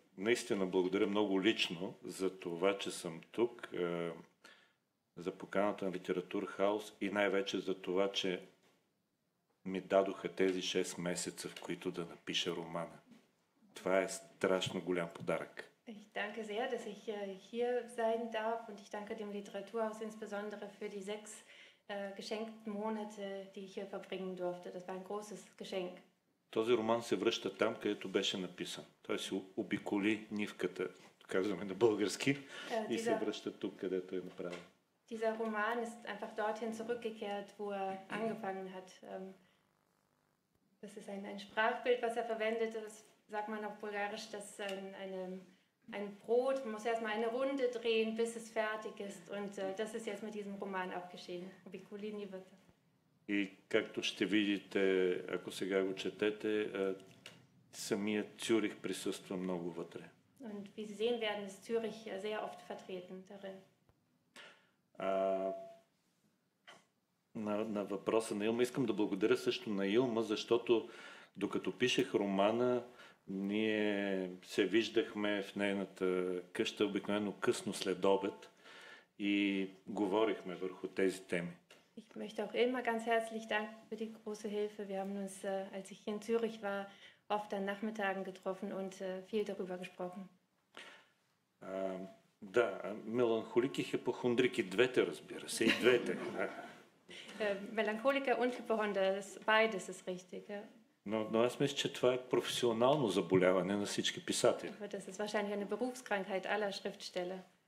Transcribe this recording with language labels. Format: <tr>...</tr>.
<bg>Наистина благодаря много лично за това, че съм тук. За поканата на Литератур Хаус и най-вече за това, че ми дадоха тези 6 месеца, в които да напиша романа. Това е страшно голям подарък.</bg> <de>Ich danke sehr, dass ich hier sein darf und ich danke dem Literaturhaus insbesondere für die 6 geschenkten Monate, die ich hier verbringen durfte. Das war ein großes Geschenk.</de> <bg>Този роман се връща там, където беше написан. Той се обиколи нивката, казваме на български, и се връща тук, където е направен.</bg> <de>Dieser Roman ist einfach dorthin zurückgekehrt, wo er angefangen hat. Das ist ein Sprachbild, was er verwendet. Das sagt man auf Bulgarisch, das ist ein Brot. Man muss erstmal eine Runde drehen, bis es fertig ist. Und das ist jetzt mit diesem Roman auch geschehen. Vikulini wird.</de> <bg>И както ще видите, ако сега го четете, самият Цюрих присъства много вътре.</bg> <de>Und wie Sie sehen werden, ist Zürich sehr oft vertreten darin.</de> <bg>На въпроса на Илма искам да благодаря също на Илма, защото докато пишех романа, ние се виждахме в нейната къща обикновено късно след обед и говорихме върху тези теми.</bg> <de>Ich möchte auch Ilma ganz herzlich danken für die große Hilfe. Wir haben uns, als ich hier in Zürich war, oft an Nachmittagen getroffen und viel darüber gesprochen. Da, Melancholik, Hypochondrik,</de> <bg>двете, разбира се, и двете.</bg> <de>Melancholiker und Hypochonder, beides ist richtig.</de> <bg>Но аз мисля, че това е професионално заболяване на всички писатели.</bg> <de>Aber das ist wahrscheinlich eine Berufskrankheit aller Schriftsteller.</de>